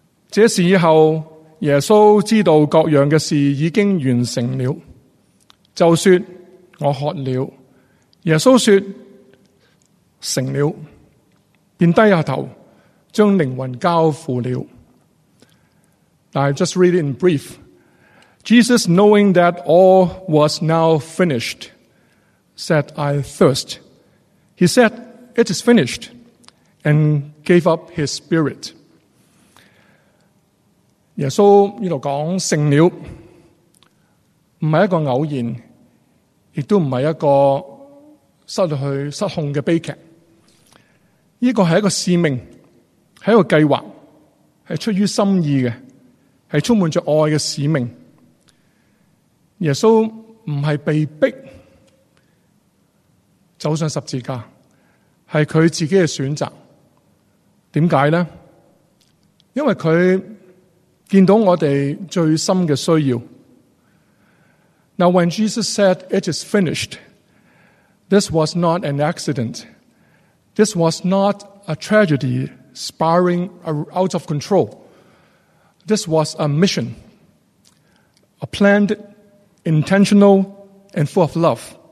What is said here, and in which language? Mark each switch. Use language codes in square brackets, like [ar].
[zh] 这时以后，耶稣知道各样的事已经完成了，就说：我渴了。耶稣说：成了。便低下头，将灵魂交付了。 [en] Now, I just read it in brief. Jesus, knowing that all was now finished, said, I thirst. He said, it is finished, and gave up his spirit. [zh] 耶稣这里讲成了，不是一个偶然，也不是一个失控的悲剧。这个是一个使命，是一个计划，是出于心意的，是充满着爱的使命。耶稣不是被逼走上十字架，是他自己的选择。为什么呢？因为他见到我们最深的需要。 [en] Now when Jesus said it is finished, this was not an accident. This was not a tragedy spiraling out of control. This was a mission, a planned, intentional, and full of love.